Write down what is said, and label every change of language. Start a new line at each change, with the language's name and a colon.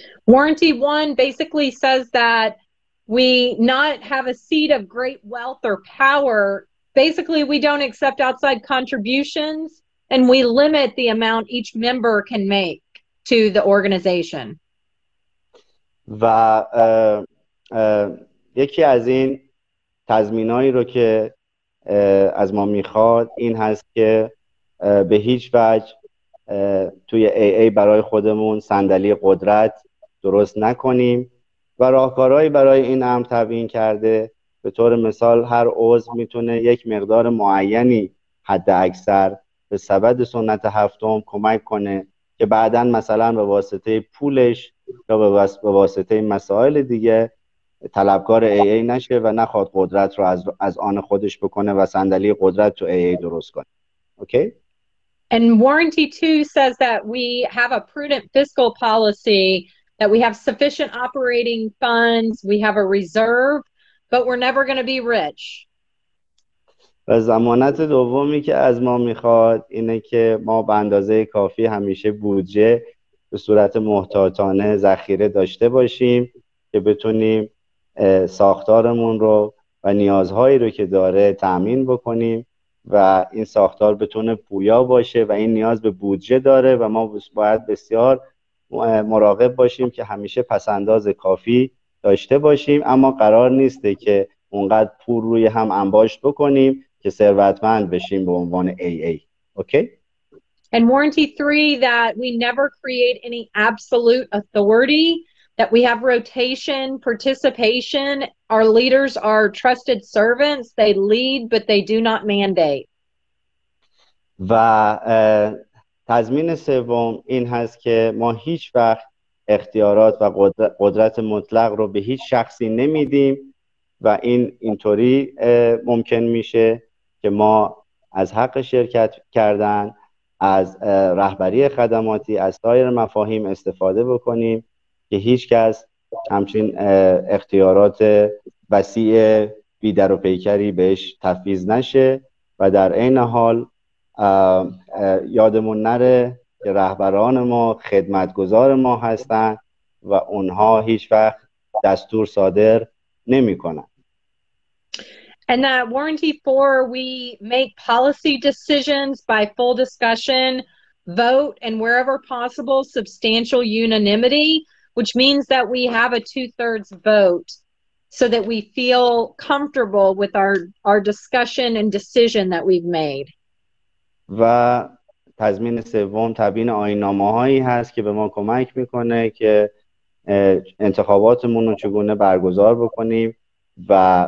English: Warranty 1 basically says that we not have a seat of great wealth or power. Basically, we don't accept outside contributions and we limit the amount each member can make to the organization.
Persian: و یکی از این تضمینایی رو که از ما میخواد این هست که به هیچ وجه توی AA برای خودمون صندلی قدرت درست نکنیم و راهکارهایی برای این هم تعیین کرده. به طور مثال هر عضو میتونه یک مقدار معینی حد اکثر به سبد سنت هفتم کمک کنه که بعداً مثلا به واسطه پولش یا به واسطه مسائل دیگه طلبکار AA نشه و نخواد قدرت رو از آن خودش بکنه و صندلی قدرت تو AA درست کنه. اوکی؟
English: And warranty 2 says that we have a prudent fiscal policy, that we have sufficient operating funds, we have a reserve, but we're never going to be rich.
Persian: و ضمانت دومی که از ما میخواد اینه که ما به اندازه کافی همیشه بودجه به صورت محتاطانه ذخیره داشته باشیم که بتونیم ساختارمون رو و نیازهایی رو که داره تأمین بکنیم و این ساختار بتونه پویا باشه و این نیاز به بودجه داره و ما باید بسیار مراقب باشیم که همیشه پسنداز کافی داشته باشیم، اما قرار نیسته که اونقدر پول روی هم انباشت بکنیم که ثروتمند بشیم به عنوان AA. اوکی؟
English: And warranty 3 that we never create any absolute authority, that we have rotation, participation, our leaders are trusted servants, they lead but they do not mandate.
Persian: و تضمین سوم این هست که ما هیچ وقت اختیارات و قدرت مطلق رو به هیچ شخصی نمیدیم و این اینطوری ممکن میشه که ما از حق شرکت کردن، از رهبری خدماتی، از سایر مفاهیم استفاده بکنیم که هیچ کس همچین اختیارات وسیع بیدر و پیکری بهش تفویض نشه و در این حال یادمون نره که رهبران ما خدمتگزار ما هستن و اونها هیچ وقت دستور صادر نمی کنن.
English: And that warranty 4, we make policy decisions by full discussion, vote, and wherever possible, substantial unanimity, which means that we have a two-thirds vote so that we feel comfortable with our discussion and decision that we've made.
Persian: و تضمین سوم تبیین آیین‌نامه‌هایی هست که به ما کمک میکنه که انتخاباتمون رو چگونه برگزار بکنیم و